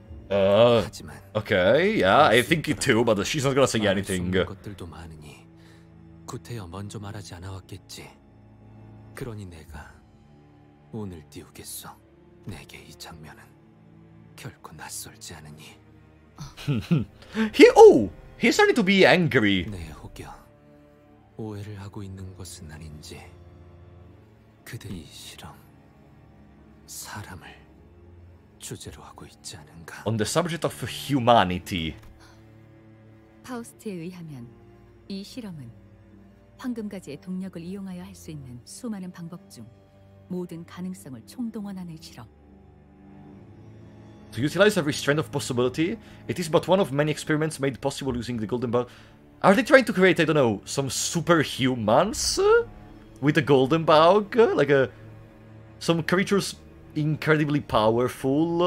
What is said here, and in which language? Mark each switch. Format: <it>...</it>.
<en>Okay, yeah, I think it too, but she's not gonna say anything.</en> <ko>것들도 많으니 구태여 먼저 말하지 않았겠지. 그러니 내가 오늘 띄우겠어. 내게 이 장면은 결코 낯설지 않으니.</ko> <en>He started to be angry.</en> <ko>내 호경 오해를 하고 있는 것은 아닌지. 그대 이 실험 사람을 주제로 하고 있지 않은가?</ko> <en>On the subject of humanity.</en> <ko>파우스트에 의하면 이 실험은 황금가지의 동력을 이용하여 할 수 있는 수많은 방법 중 모든 가능성을 총동원하는 실험.</ko> <en>To utilize every strand of possibility, it is but one of many experiments made possible using the golden bar. Are they trying to create, I don't know, some superhumans with a golden bug? Like a some creatures incredibly powerful?</en>